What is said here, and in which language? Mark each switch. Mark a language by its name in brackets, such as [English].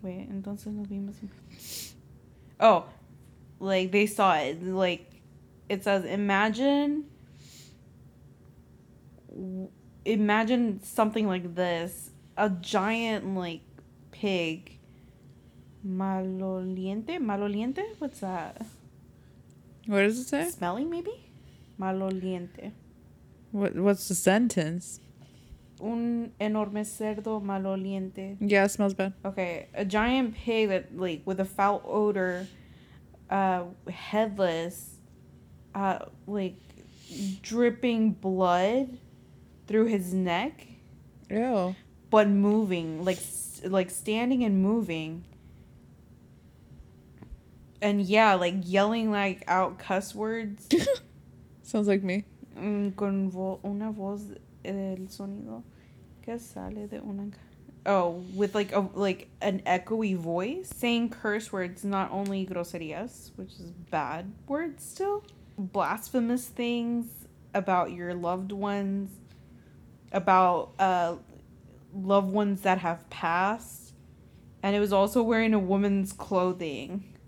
[Spanish] Wait, entonces nos vimos. [English] Oh, like they saw it. Like it says, imagine something like this, a giant like pig. Maloliente, maloliente. What's that? What does it say? Smelling maybe. Maloliente. What's the sentence? [Spanish] Un enorme cerdo maloliente. [English] Yeah, it smells bad. Okay, a giant pig that, like, with a foul odor, headless, like, dripping blood, through his neck. Ew. But moving, like standing and moving. And yeah, like yelling like out cuss words. Sounds like me. [Spanish] Con una voz del sonido que sale de una. [English] Oh, with like an echoey voice saying curse words, not only groserías, which is bad words still, blasphemous things about your loved ones, about loved ones that have passed, and it was also wearing a woman's clothing.